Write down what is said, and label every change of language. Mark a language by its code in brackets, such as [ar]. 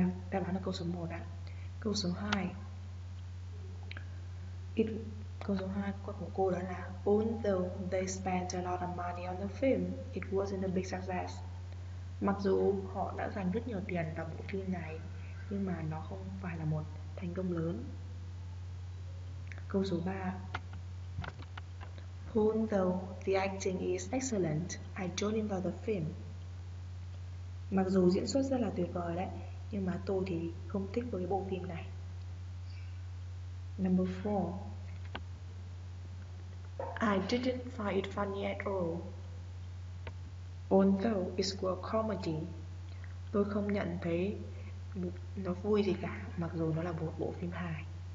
[vi] Đáp án là câu số 1 ạ. Câu số 2. Câu số 2 của cô đó là [en] Although they spent a lot of money on the film, it wasn't a big success. [vi] Mặc dù họ đã dành rất nhiều tiền vào bộ phim này, nhưng mà nó không phải là một thành công lớn. Câu số 3. [en] Although the acting is excellent, I joined in for the film. [vi] Mặc dù diễn xuất rất là tuyệt vời đấy, nhưng mà tôi thì không thích với bộ phim này. [en] Number 4. I didn't find it funny at all. Although it's a comedy, [vi] tôi không nhận thấy nó vui gì cả, mặc dù nó là một bộ phim hài.